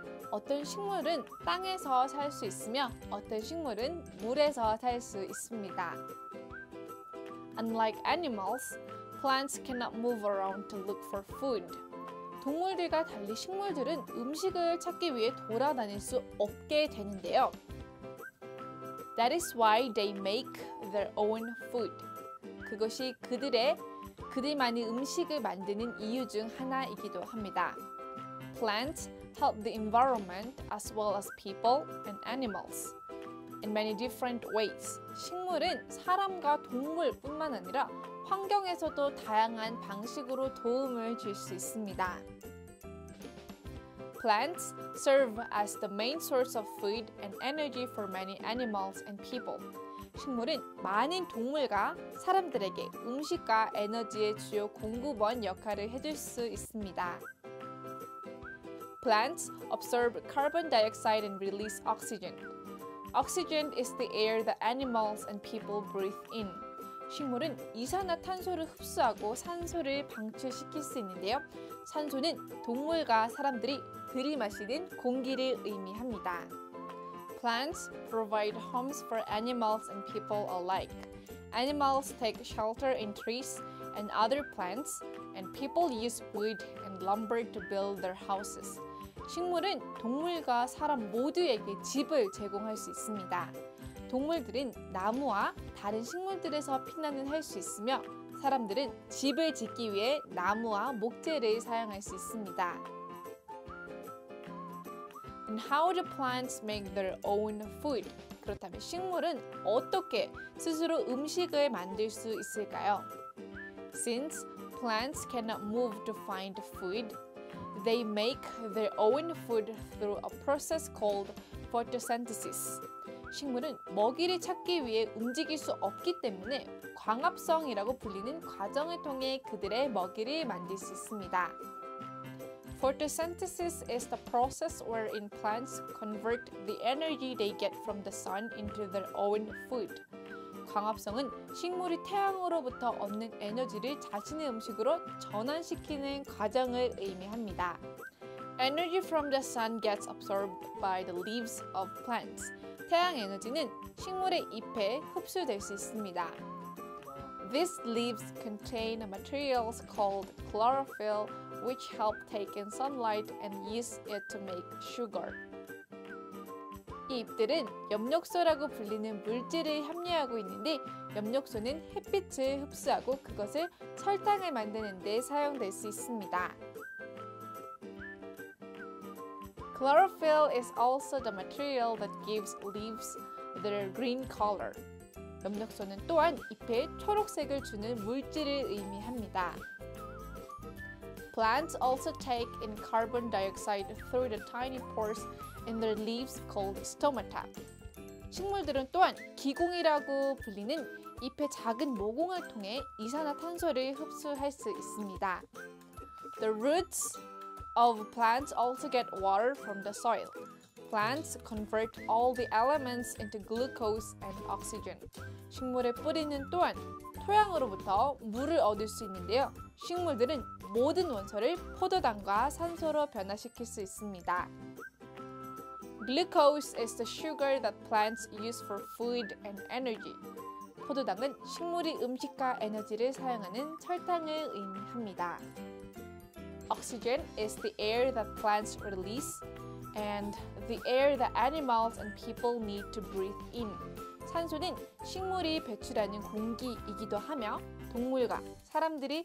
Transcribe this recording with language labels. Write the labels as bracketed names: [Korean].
[Korean] 어떤 식물은 땅에서 살 수 있으며 어떤 식물은 물에서 살 수 있습니다. [English] Unlike animals, plants cannot move around to look for food. [Korean] 동물들과 달리 식물들은 음식을 찾기 위해 돌아다닐 수 없게 되는데요. [English] That is why they make their own food. [Korean] 그것이 그들만이 음식을 만드는 이유 중 하나이기도 합니다. [English] Plants help the environment as well as people and animals in many different ways. [Korean] 식물은 사람과 동물뿐만 아니라 환경에서도 다양한 방식으로 도움을 줄 수 있습니다. [English] Plants serve as the main source of food and energy for many animals and people. [Korean] 식물은 많은 동물과 사람들에게 음식과 에너지의 주요 공급원 역할을 해줄 수 있습니다. [English] Plants absorb carbon dioxide and release oxygen. Oxygen is the air that animals and people breathe in. [Korean] 식물은 이산화탄소를 흡수하고 산소를 방출시킬 수 있는데요. 산소는 동물과 사람들이 들이마시는 공기를 의미합니다. [English] Plants provide homes for animals and people alike. Animals take shelter in trees and other plants, and people use wood and lumber to build their houses. [Korean] 식물은 동물과 사람 모두에게 집을 제공할 수 있습니다. 동물들은 나무와 다른 식물들에서 피난을 할 수 있으며 사람들은 집을 짓기 위해 나무와 목재를 사용할 수 있습니다. [English] And how do plants make their own food? [Korean] 그렇다면 식물은 어떻게 스스로 음식을 만들 수 있을까요? [English] Since plants cannot move to find food, they make their own food through a process called photosynthesis. [Korean] 식물은 먹이를 찾기 위해 움직일 수 없기 때문에 광합성이라고 불리는 과정을 통해 그들의 먹이를 만들 수 있습니다. [English] Photosynthesis is the process wherein plants convert the energy they get from the sun into their own food. [Korean] 광합성은 식물이 태양으로부터 얻는 에너지를 자신의 음식으로 전환시키는 과정을 의미합니다. [English] Energy from the sun gets absorbed by the leaves of plants. [Korean] 태양 에너지는 식물의 잎에 흡수될 수 있습니다. [English] These leaves contain materials called chlorophyll, which help take in sunlight and use it to make sugar. [Korean] 이 잎들은 엽록소라고 불리는 물질을 함유하고 있는데 엽록소는 햇빛을 흡수하고 그것을 설탕을 만드는 데 사용될 수 있습니다. [English] Chlorophyll is also the material that gives leaves their green color. [Korean] 엽록소는 또한 잎에 초록색을 주는 물질을 의미합니다. [English] Plants also take in carbon dioxide through the tiny pores in their leaves called stomata. [Korean] 식물들은 또한 기공이라고 불리는 잎의 작은 모공을 통해 이산화탄소를 흡수할 수 있습니다. [English] The roots of plants also get water from the soil. Plants convert all the elements into glucose and oxygen. [Korean] 식물의 뿌리는 또한 토양으로부터 물을 얻을 수 있는데요. 식물들은 모든 원소를 포도당과 산소로 변화시킬 수 있습니다. [English] Glucose is the sugar that plants use for food and energy. [Korean] 포도당은 식물이 음식과 에너지를 사용하는 설탕을 의미합니다. [English] Oxygen is the air that plants release and the air that animals and people need to breathe in. [Korean] 산소는 식물이 배출하는 공기이기도 하며 동물과 사람들이 숨을 쉬어야 하는 공기이기도 합니다.